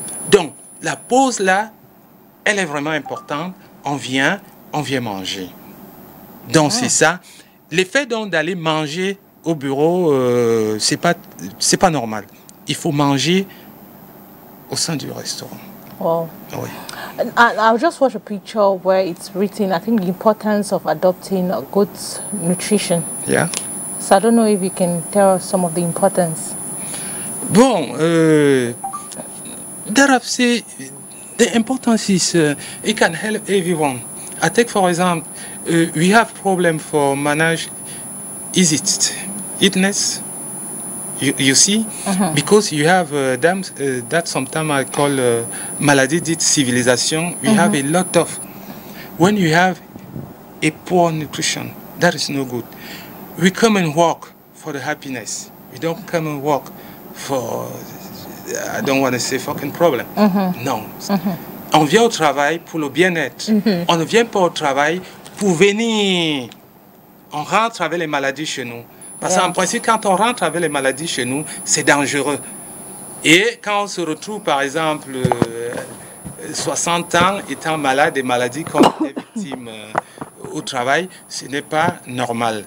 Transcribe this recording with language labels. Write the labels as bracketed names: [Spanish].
[French] Donc, la pause là, elle est vraiment importante. On vient manger. Donc, c'est ça. L'effet donc d'aller manger au bureau, c'est pas normal. Il faut manger au sein du restaurant. Wow. Oui. [English] I'll just watch a picture where it's written, I think, the importance of adopting a good nutrition. Yeah. So I don't know if you can tell us some of the importance. Bon, the importance is it can help everyone. I take for example, we have problem for manage. Is it fitness? You see, uh-huh. because you have dams that sometimes I call [French] maladie dite civilisation. [English] We uh-huh. have a lot of when you have a poor nutrition, that is no good. We come and work for the happiness. We don't come and work for I don't want to say fucking problem. Uh-huh. No. Uh-huh. [French] On vient au travail pour le bien-être. Mm-hmm. On ne vient pas au travail pour venir. On rentre avec les maladies chez nous. Parce qu'en principe, quand on rentre avec les maladies chez nous, c'est dangereux. Et quand on se retrouve, par exemple, 60 ans, étant malade, des maladies comme les victimes au travail, ce n'est pas normal.